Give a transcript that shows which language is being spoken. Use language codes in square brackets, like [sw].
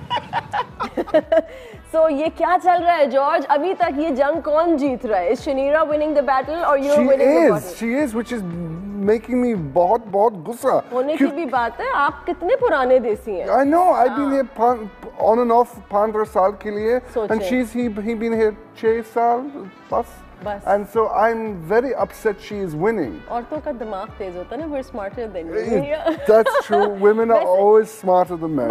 [hi] So, ये क्या चल रहा है जॉर्ज अभी तक ये जंग कौन जीत रहा है [en] Shanira winning the battle or you're winning the battle? She is, which is making me [hi] बहुत बहुत गुस्सा होने की भी बात है आप कितने पुराने देसी हैं [en] I know, I've been here on and off [hi] 15 साल के लिए [en] and she's he been here [hi] 6 साल [en] plus [hi] Bus. [en] And so I'm very upset she is winning. [hi] Auraton ka dimaag tez hota na, [en] we're smarter than you. That's true. Women are always smarter than men.